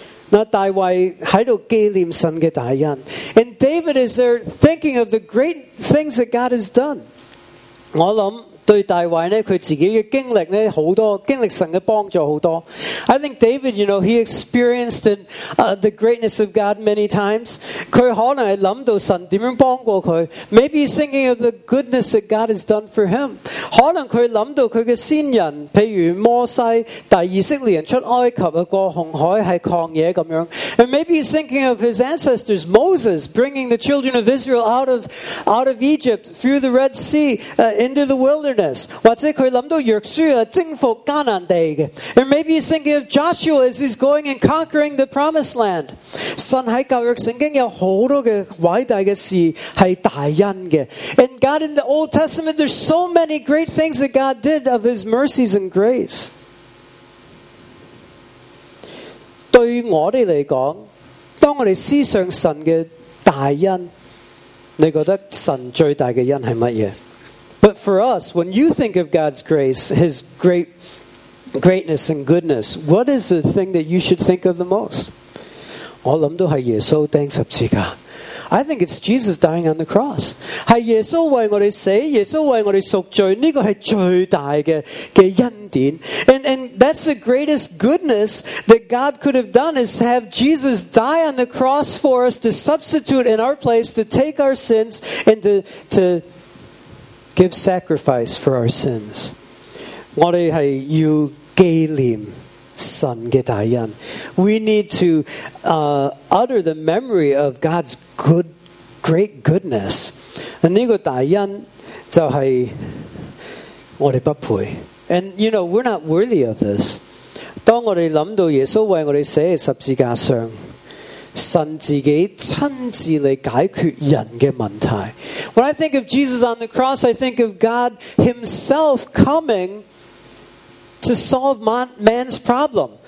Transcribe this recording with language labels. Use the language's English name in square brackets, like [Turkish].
[Chinese] 那大卫在这纪念神的大恩。 [English] And David is there thinking of the great things that God has done. [Chinese] 我想对大卫呢，他自己的经历呢，很多经历神的帮助很多。 [English] I think David, you know, he experienced it, the greatness of God many times. [Chinese] 他可能是想到神怎样帮过他， [English] maybe he's thinking of the goodness that God has done for him. [Chinese] 可能他想到他的先人，譬如摩西带以色列人出埃及，过红海，是旷野这样。 [English] And maybe he's thinking of his ancestors, Moses, bringing the children of Israel out of Egypt through the Red Sea into the wilderness. And maybe he's thinking of Joshua as he's going and conquering the promised land. And God, in the Old Testament, there's so many great things that God did of his mercies and grace. [Chinese] 对我们来说，当我们思想神的大恩，你觉得神最大的恩是什么？ [English] But for us, when you think of God's grace, his greatness and goodness, what is the thing that you should think of the most? [Chinese] 我想都是耶稣钉十字架。 [English] I think it's Jesus dying on the cross. [Chinese] 是耶稣为我们死，耶稣为我们赎罪，这个是最大 的恩典。 [English] And that's the greatest goodness that God could have done, is to have Jesus die on the cross for us, to substitute in our place, to take our sins, and to give sacrifice for our sins. [Chinese] 我们是要纪念神的大恩。 [English] We need to utter the memory of God's great goodness. [Chinese] 这个大恩就是我们不配。 [English] And you know, we're not worthy of this. [Chinese] 当我们想到耶稣为我们死在十字架上，神自己亲自来解决人的问题。 [English] When I think of Jesus on the cross, I think of God himself coming to solve man's problem.